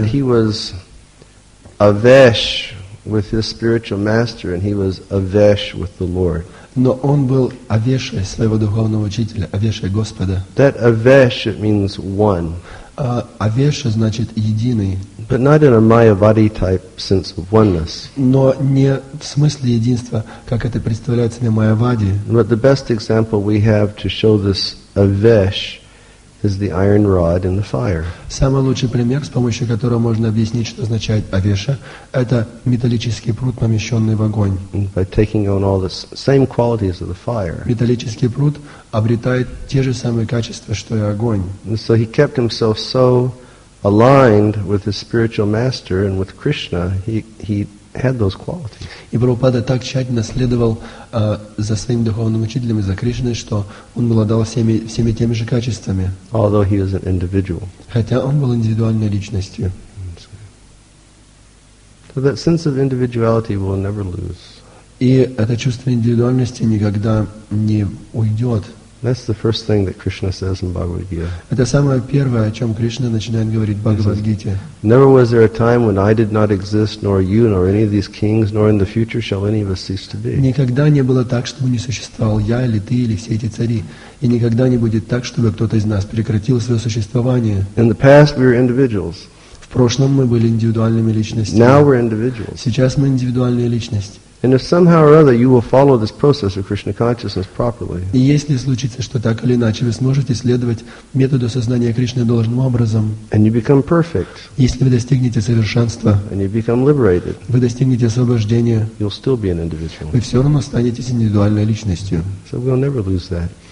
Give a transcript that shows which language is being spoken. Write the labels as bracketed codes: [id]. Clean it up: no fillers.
[en] But he was avesh with his spiritual master, and he was avesh with the Lord. [ru] Но он был авешей своего духовного учителя, авешей Господа. [en] That avesh, it means one. [ru] Авеша значит единый. [en] But not in a Mayavadi type sense of oneness. [ru] Но не в смысле единства, как это представляется на Майавади. [en] But the best example we have to show this avesh is the iron rod in the fire. [ru] Самый лучший пример, с помощью которого можно объяснить, что означает авеша, это металлический прут, помещенный в огонь. [en] By taking on all the same qualities of the fire. [ru] Металлический прут обретает те же самые качества, что и огонь. [en] So he kept himself so aligned with his spiritual master and with Krishna, he had those qualities. [ru] И Прабхупада так тщательно следовал за своим духовным учителем и за Кришной, что он обладал всеми теми же качествами. [en] Although he was an individual. [ru] Хотя он был индивидуальной личностью. [en] So that sense of individuality will never lose. [ru] И это чувство индивидуальности никогда не уйдет. [en] That's the first thing that Krishna says in Bhagavad Gita. [ru] Это самое первое, о чем Кришна начинает говорить в Бхагавад Гите. [en] Never was there a time when I did not exist, nor you, nor any of these kings, nor in the future shall any of us cease to be. [ru] Никогда не было так, чтобы не существовал я или ты или все эти цари, и никогда не будет так, чтобы кто-то из нас прекратил свое существование. [en] In the past we were individuals. [ru] В прошлом мы были индивидуальными личностями. [en] Now we're individuals. [ru] Сейчас мы индивидуальные личности. [en] And if somehow or other you will follow this process of Krishna consciousness properly. [ru] И если случится, что так или иначе вы сможете следовать методу сознания Кришны должным образом. [en] And you become perfect. [ru] Если вы достигнете совершенства. [en] And you become liberated. [ru] Вы достигнете освобождения. [en] You'll still be an individual. [ru] Вы все равно останетесь индивидуальной личностью. [en] So we'll never lose that.